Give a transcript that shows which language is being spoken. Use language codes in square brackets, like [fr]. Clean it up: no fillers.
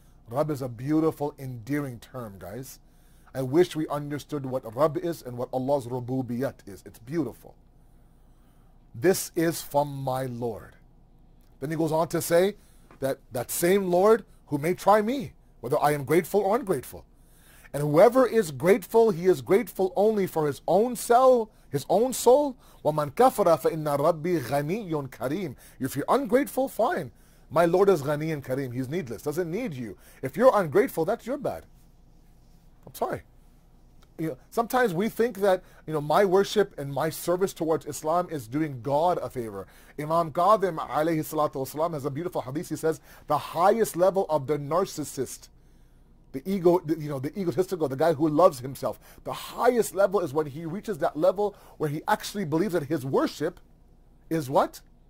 [en] Rabb is a beautiful, endearing term, guys. I wish we understood what Rabb is and what Allah's Rububiyat is. It's beautiful. This is from my Lord. Then he goes on to say that that same Lord who may try me, whether I am grateful or ungrateful. And whoever is grateful, he is grateful only for his own soul, his own soul. [ar] وَمَنْ كَفَرَ فَإِنَّ رَبِّي غَنِيٌّ كَرِيمٌ [en] If you're ungrateful, fine. My Lord is غَنِي and كَرِيمٌ He's needless, doesn't need you. If you're ungrateful, that's your bad. I'm sorry. You know, sometimes we think that, you know, my worship and my service towards Islam is doing God a favor. Imam Qadhim alayhi salatu wasalam has a beautiful hadith. He says, the highest level of the narcissist, the ego, you know, the egotistical, the guy who loves himself, the highest level is when he reaches that level where he actually believes that his worship is what?